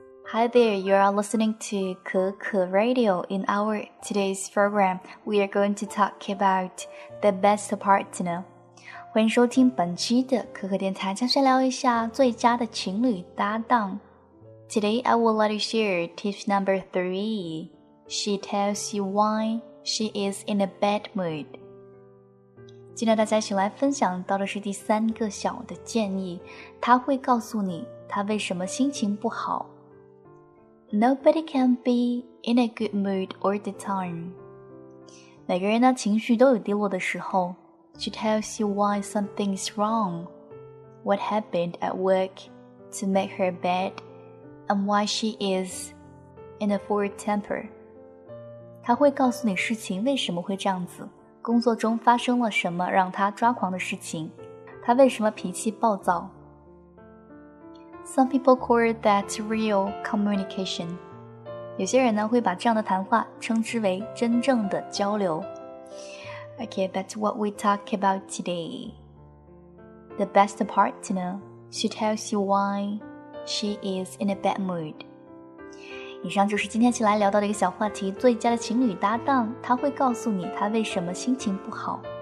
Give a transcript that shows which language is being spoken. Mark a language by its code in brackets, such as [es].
[en] Hi there, you are listening to Keke Radio. In our today's program, we are going to talk about the best partner. [zh] 欢迎收听本期的可可电台，将是聊一下最佳的情侣搭档。 [en] Today, I will let you share tip number 3. She tells you why she is in a bad mood. [zh] 今天大家一起来分享到的是第三个小的建议，她会告诉你她为什么心情不好。 [en] Nobody can be in a good mood all the time. [zh] 每个人呢，情绪都有低落的时候。 [en] She tells you why something is wrong, what happened at work to make her bad, and why she is in a poor temper. [zh] 她会告诉你事情为什么会这样子，工作中发生了什么让她抓狂的事情，她为什么脾气暴躁。 [en] Some people call that real communication. [zh] 有些人呢会把这样的谈话称之为真正的交流。 [en] Okay, that's what we talk about today. The best partner, she tells you why she is in a bad mood. [zh] 以上就是今天一起来聊到的一个小话题，最佳的情侣搭档，他会告诉你他为什么心情不好。